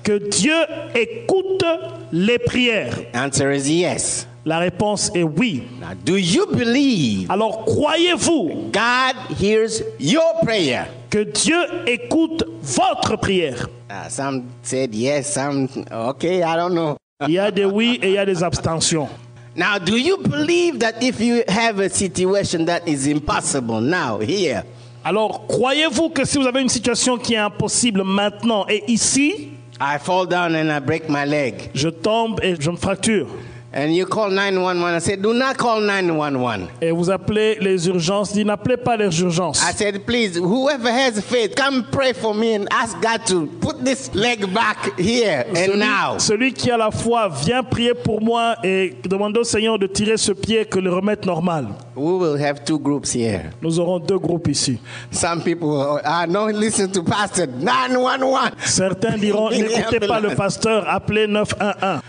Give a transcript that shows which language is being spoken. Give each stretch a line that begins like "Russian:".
French: Que Dieu écoute les prières.
English: Answer is yes.
French: La réponse est oui.
English: Now, do you believe?
French: Alors croyez-vous?
English: God hears your prayer.
French: Que Dieu écoute votre prière.
English: Some said yes, some okay, I don't know.
French: Il y a des oui et il y a des abstentions.
English: Now, do you believe that if you have a situation that is impossible now, here?
French: Alors, croyez-vous que si vous avez une situation qui est impossible maintenant et ici?
English: I fall down and I break my leg.
French: Je tombe et je me fracture.
English: And you call 911. I said, do not call 911.
French: Et vous appelez les urgences. Dis, n'appelez pas les urgences.
English: I said, please, whoever has faith, come pray for me and ask God to put this leg back here and now.
French: Celui qui a la foi, viens prier pour moi et demande au Seigneur de tirer ce pied que le remette normal.
English: We will have two groups here.
French: Nous aurons deux groupes ici.
English: Some people are not listening to pastor. 911.
French: Certains diront, n'écoutez pas le pasteur, appelez 911.